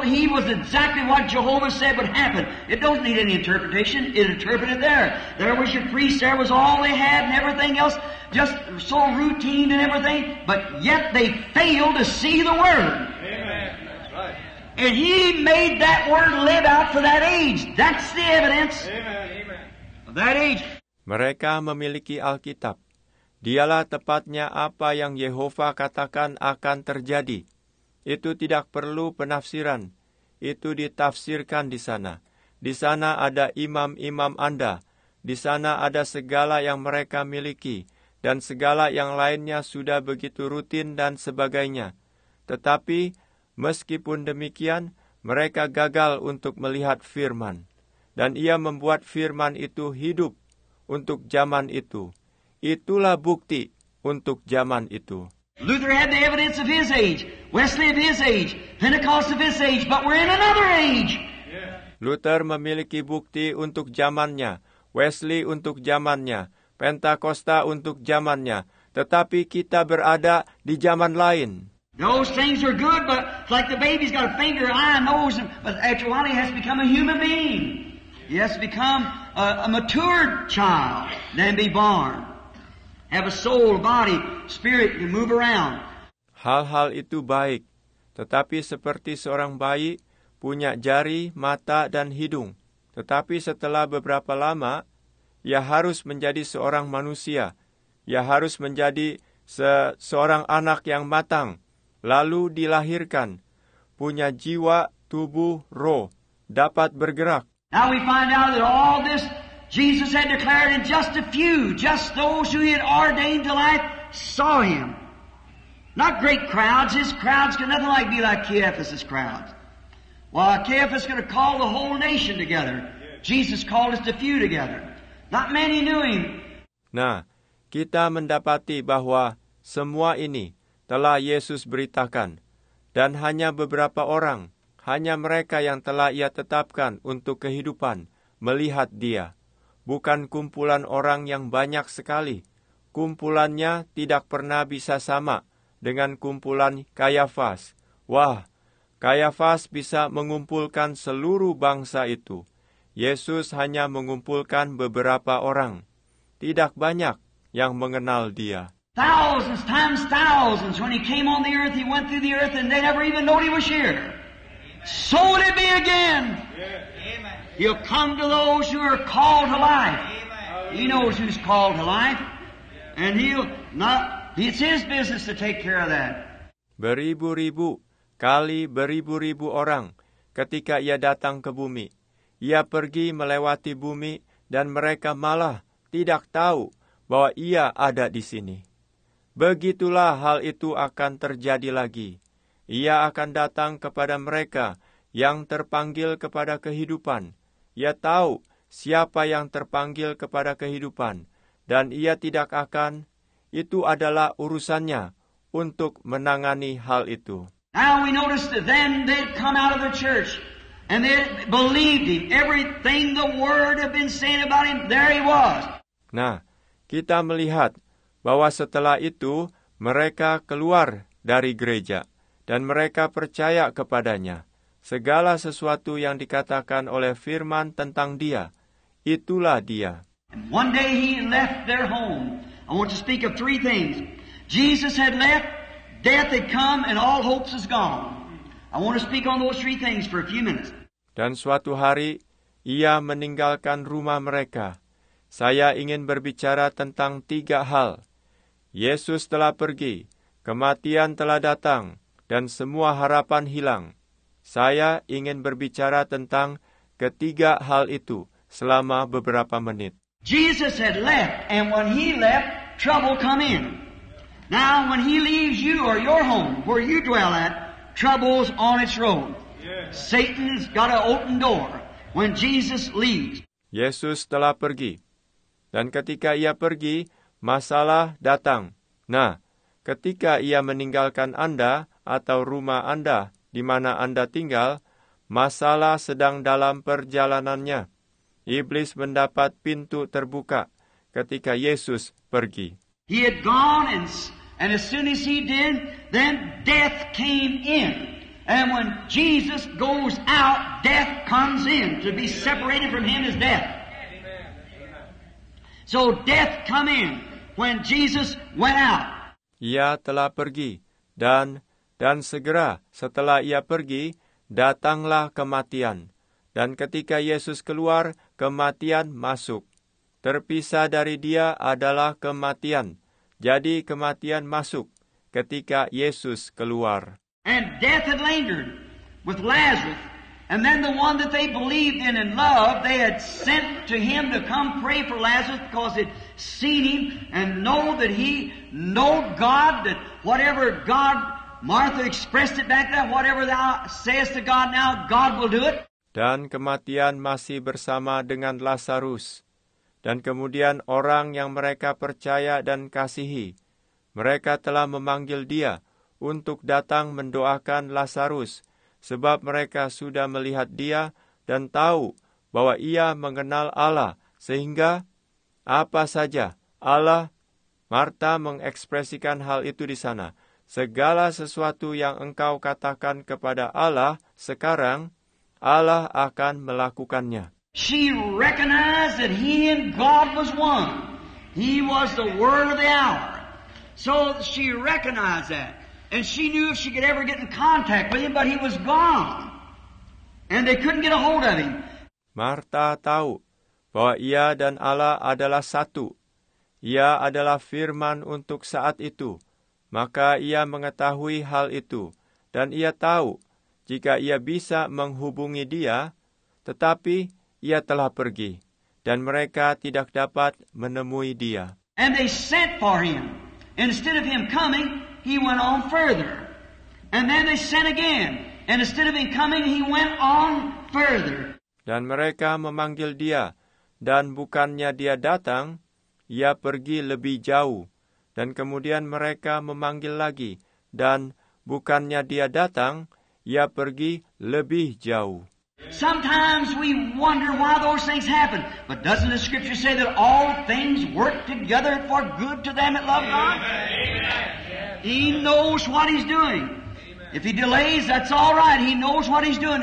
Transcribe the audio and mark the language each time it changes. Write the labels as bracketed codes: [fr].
[en] He was exactly what Jehovah said would happen. It don't need any interpretation. It interpreted there. There was your priest. There was all they had and everything else. Just so routine and everything. But yet they failed to see the Word. Amen. That's right. And He made that Word live out for that age. That's the evidence. Amen. Of that age. [id] Mereka memiliki Alkitab. Dialah tepatnya apa yang Yehova katakan akan terjadi. Itu tidak perlu penafsiran. Itu ditafsirkan di sana. Di sana ada imam-imam Anda. Di sana ada segala yang mereka miliki. Dan segala yang lainnya sudah begitu rutin dan sebagainya. Tetapi, meskipun demikian, mereka gagal untuk melihat firman. Dan ia membuat firman itu hidup untuk zaman itu. Itulah bukti untuk zaman itu. [en] Luther had the evidence of his age, Wesley of his age, Pentecost of his age, but we're in another age. [id] Luther memiliki bukti untuk zamannya, Wesley untuk zamannya, Pentakosta untuk zamannya, tetapi kita berada di zaman lain. [en] Those things are good, but like the baby's got a finger, eye, nose, but after a while he has become a human being. He has become a matured child, then be born. Have a soul, body, spirit to move around. [id] Hal-hal itu baik, tetapi seperti seorang bayi punya jari, mata, dan hidung. Tetapi setelah beberapa lama, ia harus menjadi seorang manusia. Ia harus menjadi seorang anak yang matang. Lalu dilahirkan, punya jiwa, tubuh, roh, dapat bergerak. [en] Now we find out that all this Jesus had declared in just a few, just those who He had ordained to life, saw Him. Not great crowds. His crowds could nothing like be like Caiaphas' crowds. Well, Caiaphas is going to call the whole nation together. Jesus called us to few together. Not many knew Him. [id] Nah, kita mendapati bahwa semua ini telah Yesus beritakan. Dan hanya beberapa orang, hanya mereka yang telah Ia tetapkan untuk kehidupan, melihat Dia. Bukan kumpulan orang yang banyak sekali. Kumpulannya tidak pernah bisa sama dengan kumpulan Kayafas. Wah, Kayafas bisa mengumpulkan seluruh bangsa itu. Yesus hanya mengumpulkan beberapa orang. Tidak banyak yang mengenal Dia. [en] Thousands times thousands. When He came on the earth, He went through the earth and they never even knew He was here. So would it be again. He'll come to those who are called to life. He knows who's called to life. And it's His business to take care of that. [id] Beribu-ribu, kali beribu-ribu orang, ketika Ia datang ke bumi, Ia pergi melewati bumi, dan mereka malah tidak tahu bahwa Ia ada di sini. Begitulah hal itu akan terjadi lagi. Ia akan datang kepada mereka yang terpanggil kepada kehidupan. Ia tahu siapa yang terpanggil kepada kehidupan, dan Ia tidak akan, itu adalah urusannya untuk menangani hal itu. [en] Now we notice that then they come out of the church, and they believed Him. Everything the Word had been saying about Him, there He was. [id] Nah, kita melihat bahwa setelah itu, mereka keluar dari gereja, dan mereka percaya kepadanya. Segala sesuatu yang dikatakan oleh firman tentang Dia, itulah Dia. [en] And one day He left their home. I want to speak of three things. Jesus had left Death had come and all hopes is gone. I want to speak on those three things for a few minutes. [id] Dan suatu hari, ia meninggalkan rumah mereka. Saya ingin berbicara tentang tiga hal. Yesus telah pergi, kematian telah datang, dan semua harapan hilang. Saya ingin berbicara tentang ketiga hal itu selama beberapa menit. [en] Jesus had left, and when he left, trouble come in. Now, when he leaves you or your home, where you dwell at, trouble's on its road. Satan's got an open door when Jesus leaves. [id] Yesus telah pergi. Dan ketika ia pergi, masalah datang. Nah, ketika ia meninggalkan Anda atau rumah Anda di mana Anda tinggal, masalah sedang dalam perjalanannya. Iblis mendapat pintu terbuka ketika Yesus pergi. [en] He had gone and as soon as he did, then death came in. And when Jesus goes out, death comes in. To be separated from him is death. So death come in when Jesus went out. [id] Ia telah pergi, dan segera setelah ia pergi, datanglah kematian. Dan ketika Yesus keluar, kematian masuk. Terpisah dari dia adalah kematian. Jadi kematian masuk ketika Yesus keluar. [en] And death had lingered with Lazarus. And then the one that they believed in and loved, they had sent to him to come pray for Lazarus because they'd seen him and know that he know God, that whatever God, Martha expressed it back then, whatever thou sayest to God now, God will do it. [id] Dan kematian masih bersama dengan Lazarus. Dan kemudian orang yang mereka percaya dan kasihi, mereka telah memanggil dia untuk datang mendoakan Lazarus, sebab mereka sudah melihat dia dan tahu bahwa ia mengenal Allah, sehingga apa saja Allah, Martha mengekspresikan hal itu di sana. Segala sesuatu yang engkau katakan kepada Allah sekarang, Allah akan melakukannya. [en] She recognized that he and God was one. He was the word of the hour. So she recognized that. And she knew if she could ever get in contact with him, but he was gone. And they couldn't get a hold of him. [id] Martha tahu bahwa ia dan Allah adalah satu. Ia adalah firman untuk saat itu. Maka ia mengetahui hal itu. Dan ia tahu jika ia bisa menghubungi dia, tetapi ia telah pergi, dan mereka tidak dapat menemui dia. [en] And they sent for him. Instead of him coming, he went on further. And then they sent again. And instead of him coming, he went on further. [id] Dan mereka memanggil dia, dan bukannya dia datang, ia pergi lebih jauh. Dan kemudian mereka memanggil lagi, dan bukannya dia datang, ia pergi lebih jauh. [en] Sometimes we wonder why those things happen. But doesn't the scripture say that all things work together for good to them that love God? Amen. He knows what he's doing. Amen. If he delays, that's all right. He knows what he's doing.